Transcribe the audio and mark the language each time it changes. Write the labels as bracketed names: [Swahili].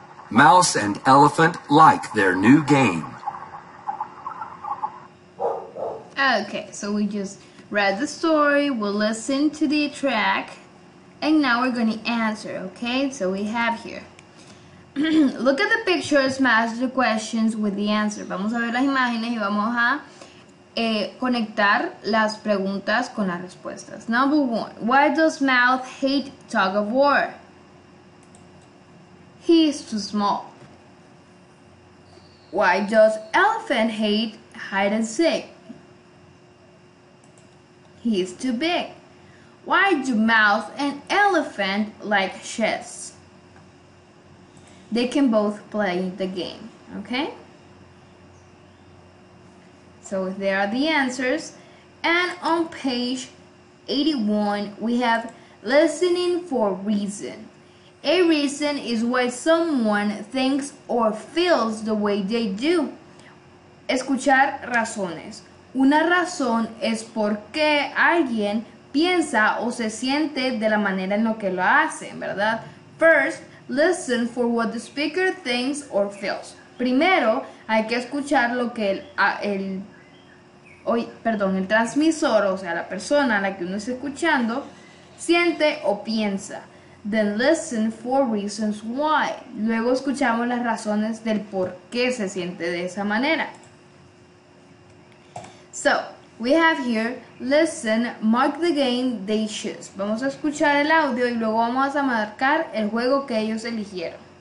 [English] Mouse and Elephant like their new game. Okay, so we just read the story, we'll listen to the track, and now we're going to answer, okay? So we have here. Look at the pictures, match the questions with the answer. [Spanish] Vamos a ver las imágenes y vamos a conectar las preguntas con las respuestas. [English] Number one, why does Mouth hate tug of war? He is too small. Why does Elephant hate hide and seek? He is too big. Why do Mouse and Elephant like chess? They can both play the game, okay? So there are the answers. And on page 81, we have listening for reason. A reason is why someone thinks or feels the way they do. [Spanish] Escuchar razones. Una razón es por qué alguien piensa o se siente de la manera en lo que lo hacen, ¿verdad? [English] First, listen for what the speaker thinks or feels. [Spanish] Primero, hay que escuchar lo que el transmisor, o sea, la persona a la que uno está escuchando, siente o piensa. [English] Then listen for reasons why. [Spanish] Luego escuchamos las razones del por qué se siente de esa manera. [English] So, we have here, listen, mark the game they choose. [Spanish] Vamos a escuchar el audio y luego vamos a marcar el juego que ellos eligieron.